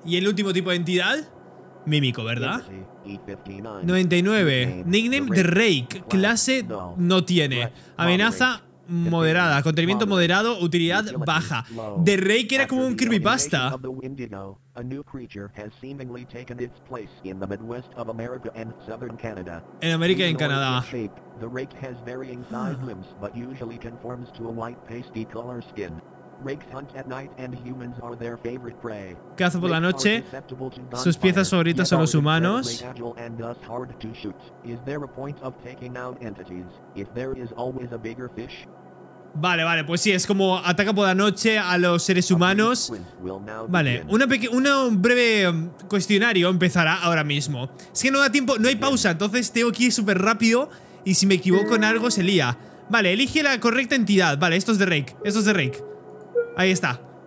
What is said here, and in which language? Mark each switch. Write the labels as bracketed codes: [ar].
[es] ¿Y el último tipo de entidad? Mímico, ¿verdad? 99. Nickname The Rake. Clase no tiene. Amenaza moderada, contenimiento moderado, utilidad baja. The Rake era como un creepypasta. [en] A new creature has seemingly taken its place in the Midwest of America and Southern Canada. [es] En América y en Canadá. [en] The Rake has varying size limbs but usually conforms to a white pasty color skin. Rakes hunt at night and humans are their favorite prey. [es] Caza por la noche. Sus piezas favoritas son los humanos. [en] And thus hard to shoot. Is there a point of taking out entities if there is always a bigger fish? [es] Vale, pues sí, es como ataca por la noche a los seres humanos. Vale, un breve cuestionario empezará ahora mismo. Es que no da tiempo, no hay pausa, entonces tengo que ir súper rápido y si me equivoco en algo se lía. Vale, elige la correcta entidad. Vale, esto es de Rake, esto es de Rake. Ahí está.